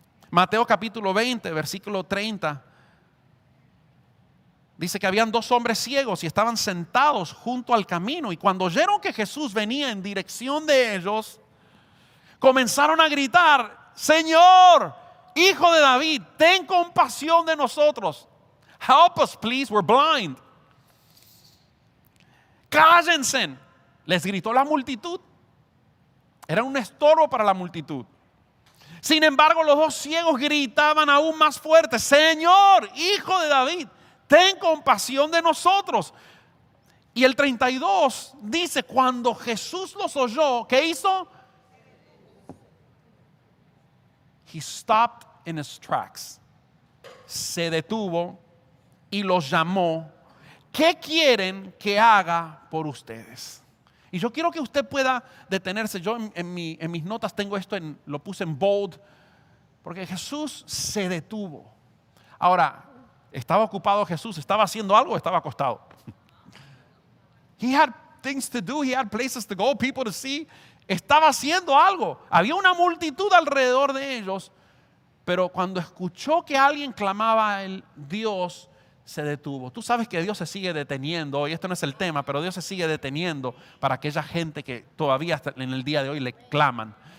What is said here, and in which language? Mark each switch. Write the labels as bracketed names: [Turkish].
[Spanish] Mateo capítulo 20, versículo 30, dice que habían dos hombres ciegos y estaban sentados junto al camino, y cuando oyeron que Jesús venía en dirección de ellos, comenzaron a gritar: Señor, Hijo de David, ten compasión de nosotros. [English] Help us please, we're blind. [Spanish] Cállense, les gritó la multitud. Era un estorbo para la multitud. Sin embargo, los dos ciegos gritaban aún más fuerte: Señor, Hijo de David, ten compasión de nosotros. Y el 32 dice, cuando Jesús los oyó, ¿qué hizo? [English] He stopped in his tracks. [Spanish] Se detuvo y los llamó: ¿qué quieren que haga por ustedes? Y yo quiero que usted pueda detenerse. Yo en mis notas tengo esto, lo puse en bold. Porque Jesús se detuvo. Ahora, ¿estaba ocupado Jesús? ¿Estaba haciendo algo o estaba acostado? [English] He had things to do, he had places to go, people to see. [Spanish] Estaba haciendo algo. Había una multitud alrededor de ellos. Pero cuando escuchó que alguien clamaba a él, Dios se detuvo. Tú sabes que Dios se sigue deteniendo hoy. Esto no es el tema, pero Dios se sigue deteniendo para aquella gente que todavía en el día de hoy le claman.